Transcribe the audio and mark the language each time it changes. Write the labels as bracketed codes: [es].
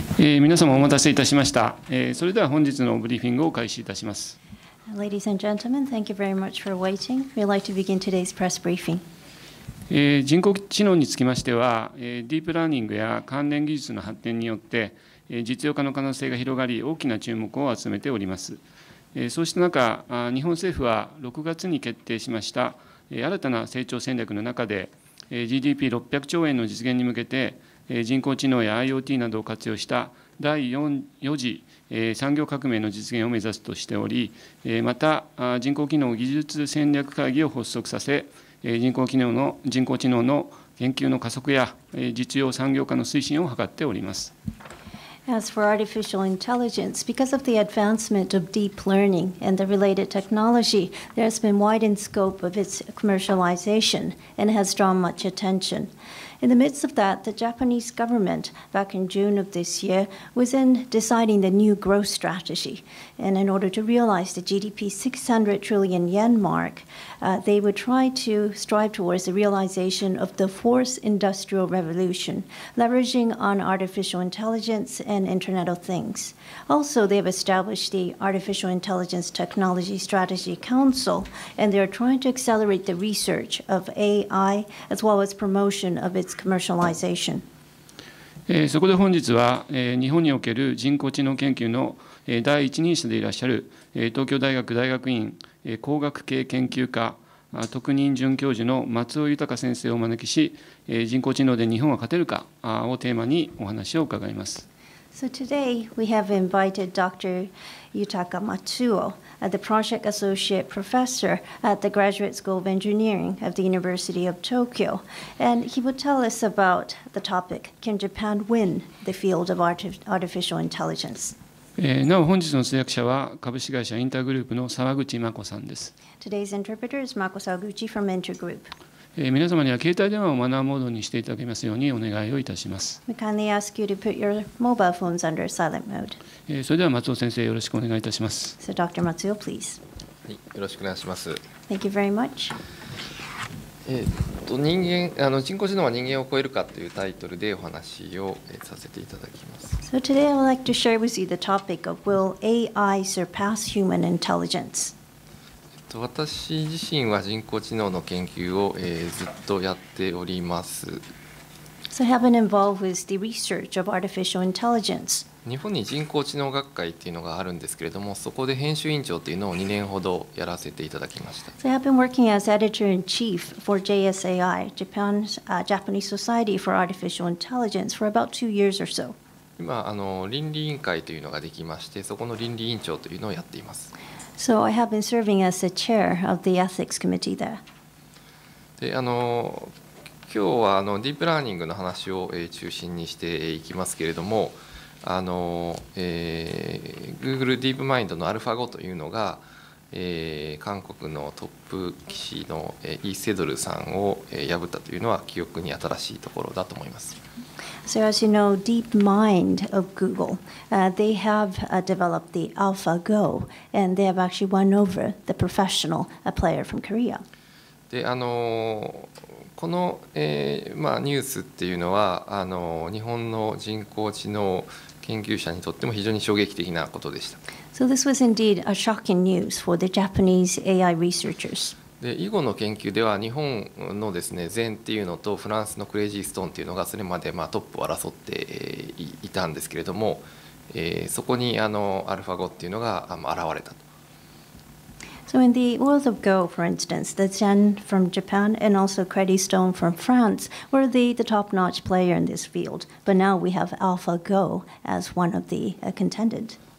[ja] 皆様お待たせいたしました。それでは本日のブリーフィングを開始いたします。 [en] Ladies and gentlemen, thank you very much for waiting. We'd like to begin today's press briefing. [ja] 人工知能につきましては、ディープラーニングや関連技術の発展によって、実用化の可能性が広がり、大きな注目を集めております。そうした中、日本政府は6月に決定しました、新たな成長戦略の中で、GDP600 兆円の実現に向けて、人工知能や IoT などを活用した第4次産業革命の実現を目指すとしており、また人工知能技術戦略会議を発足させ、人工知能の研究の加速や実用産業化の推進を図っております。 [en] As for artificial intelligence, because of the advancement of deep learning and the related technology, there has been widened scope of its commercialization and has drawn much attention. In the midst of that, the Japanese government, back in June of this year, was in deciding the new growth strategy. And in order to realize the GDP 600 trillion yen mark, they would try to strive towards the realization of the fourth industrial revolution, leveraging on artificial intelligence and Internet of Things. Also, they have established the Artificial Intelligence Technology Strategy Council, and they are trying to accelerate the research of AI, as well as promotion of its commercialization. [ja] そこで本日は、日本における人工知能研究の第一人者でいらっしゃる東京大学大学院工学系研究科特任准教授の松尾豊先生をお招きし、人工知能で日本は勝てるかをテーマにお話を伺います。 [en] So today we have invited Dr. Yutaka Matsuo, the Project Associate Professor at the Graduate School of Engineering of the University of Tokyo, and he will tell us about the topic, Can Japan Win the Field of Artificial Intelligence? [ja] なお本日の通訳者は株式会社インターグループの沢口真子さんです。 [en] Today's interpreter is Mako Sawaguchi from Intergroup. [ja] 皆様には携帯電話をマナーモードにしていただけますようにお願いをいたします。 [en] We kindly ask you to put your mobile phones under silent mode. [ja] それでは松尾先生よろしくお願いいたします。 [en] So Dr. Matsuo, please. [ja] はい、よろしくお願いします。 [en] Thank you very much. [ja] 人工知能は人間を超えるかというタイトルでお話をさせていただきます。 [en] So today I would like to share with you the topic of Will AI surpass human intelligence? [ja] 私自身は人工知能の研究を、ずっとやっております。 [en] So I have been involved with the research of artificial intelligence. [ja] 日本に人工知能学会というのがあるんですけれども、そこで編集委員長というのを2年ほどやらせていただきました。 [en] So I have been working as editor-in-chief for JSAI, Japan's, Japanese Society for Artificial Intelligence for about 2 years or so. [ja] 今倫理委員会というのができまして、そこの倫理委員長というのをやっています。 [en] So I have been serving as the chair of the ethics committee there. [ja] で、今日はディープラーニングの話を中心にしていきますけれども、Google DeepMind のアルファ5というのが、韓国のトップ棋士のイ・セドルさんを破ったというのは記憶に新しいところだと思います。 [en] So as you know, DeepMind of Google, they have developed the AlphaGo, and they have actually won over the professional player from Korea. [ja] で、この、ニュースっていうのは、日本の人工知能研究者にとっても非常に衝撃的なことでした。 [en] So this was indeed a shocking news for the Japanese AI researchers. [ja] で、囲碁の研究では日本のですね、禅っていうのとフランスのクレイジーストーンっていうのがそれまでトップを争っていたんですけれども、そこにアルファ碁っていうのが現れたと。 [en] So in the world of Go, for instance, the Zen from Japan and also Credit Stone from France were the top-notch player in this field. But now we have Alpha Go as one of the contended.